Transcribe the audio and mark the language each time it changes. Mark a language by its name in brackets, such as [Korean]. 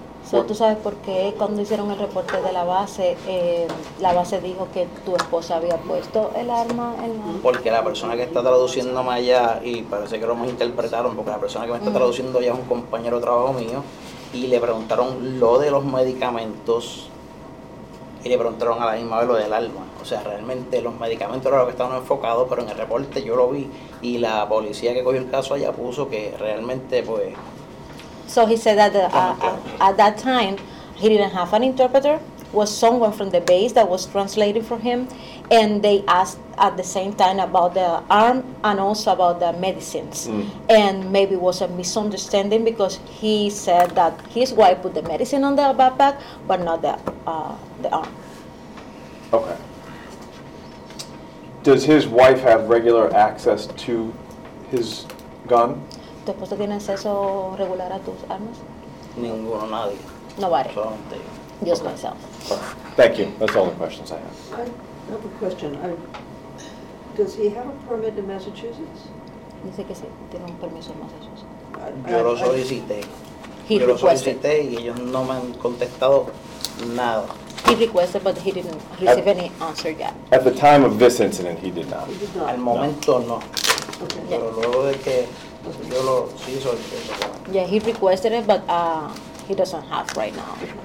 [Spanish] So, ¿tú sabes por qué cuando hicieron el reporte de la base dijo que tu esposa había puesto el arma en la? Porque la persona que está traduciendo más allá y parece que lo malinterpretaron porque la persona que me está traduciendo ya es un compañero de trabajo mío y le preguntaron lo de los medicamentos. Y le preguntaron a la misma vez lo del arma. O sea, realmente los medicamentos eran lo que estaban enfocados, pero en el reporte yo lo vi. Y la policía que cogió el caso allá puso que realmente, pues... [English] So he said that at that time, he didn't have an interpreter. Was someone from the base that was translating for him. And they asked at the same time about the arm and also about the medicines. Mm. And maybe it was a misunderstanding because he said that his wife put the medicine on the backpack, but not the the arm. Okay. Does his wife have regular access to his gun? [Spanish] ¿Tu esposo tiene acceso regular a tus armas? Ninguno, nadie. [English] Nobody. [Spanish] Solamente. [English] Just okay. Myself. Okay. Thank you. That's all the questions I have. I have a question. Does he have a permit in Massachusetts? [Spanish] Dice que sí, tiene un permiso en Massachusetts. Yo lo solicité. Yo lo solicité y ellos no me han contestado nada. [English] He requested, but he didn't receive any answer yet. At the time of this incident, he did not. He did not. [Spanish] Al momento, no. [English] Okay. [Spanish] Pero luego de que yo lo sí solicité. [English] Yeah, he requested it, but he doesn't have right now.